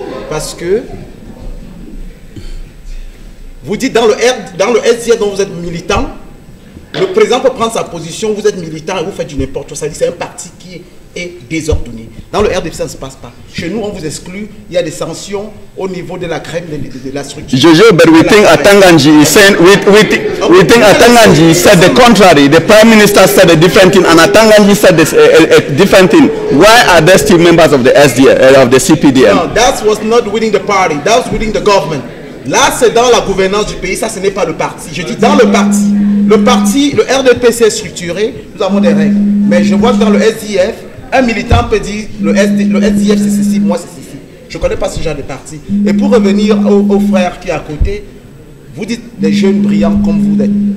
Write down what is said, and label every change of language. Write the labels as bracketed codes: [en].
[fr] Parce que vous dites dans le SDF dont vous êtes militant, le président peut prendre sa position, vous êtes militant et vous faites du n'importe quoi. Ça dit c'est un parti qui est désordonné. Dans le RDF, ça ne se passe pas. Chez nous, on vous exclut. Il y a des sanctions au niveau de la crème de la structure. [en] Jojo, but we think Atanganji is saying we think Atanganji said the contrary. The prime minister said a different thing, and Atanganji said this a different thing. Why are there still members of the SDF of the CPDM? No, that was not winning the party. That was winning the government. [fr] Là, c'est dans la gouvernance du pays. Ça, ce n'est pas le parti. Je dis dans le parti. Le parti, le RDP, c'est structuré. Nous avons des règles. Mais je vois que dans le SDF, un militant peut dire le SDF, c'est ceci, moi, c'est ceci. Je ne connais pas ce genre de parti. Et pour revenir au frère qui est à côté, vous dites des jeunes brillants comme vous êtes.